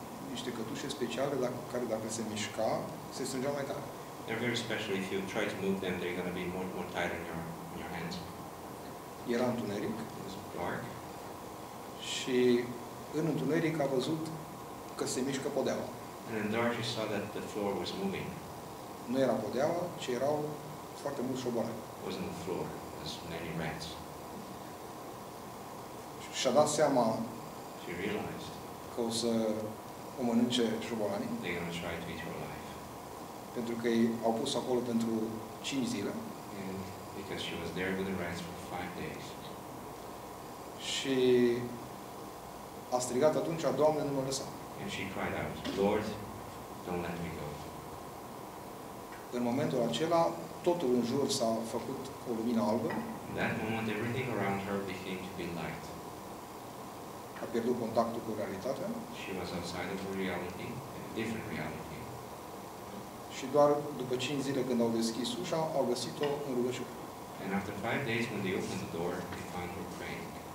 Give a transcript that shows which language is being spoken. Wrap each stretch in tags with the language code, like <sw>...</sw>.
<ro>Niște cătușe speciale care dacă se mișca, se strângeau mai tare.</ro> <en>They're very special. If you try to move them, they're going to be more tied in your hands.</en> <ro>Era întuneric.</ro> <en>It was dark.</en> <ro>Și în întuneric a văzut că se mișcă podeaua.</ro> <en>And in the dark, she saw that the floor was moving.</en> <ro>Nu era podeaua, ci erau foarte mulți șobolani.</ro> <en>It wasn't the floor, it was many rats.</en> <ro>Și-a dat seama</ro> <en>she realized</en> <ro>că o să o mănânce șobolanii.</ro> <en>They're going to try to eat her alive.</en> <ro>Pentru că au pus acolo pentru 5 zile.</ro> <en>And because she was there with the rats for 5 days.</en> <ro>Și a strigat atunci, Doamne, nu mă lăsa.</ro> <en>And she cried out, Lord, don't let me go.</en> <ro>În momentul acela, totul în jur s-a făcut o lumină albă.</ro> <en>In that moment, everything around her became to be light.</en> <ro>A pierdut contactul cu realitatea.</ro> <en>She was outside of reality, a different reality.</en> <ro>Și doar după 5 zile când au deschis ușa, au găsit-o în rugăciune.</ro> <en>And after 5 days, when they opened the door, they found her praying.</en>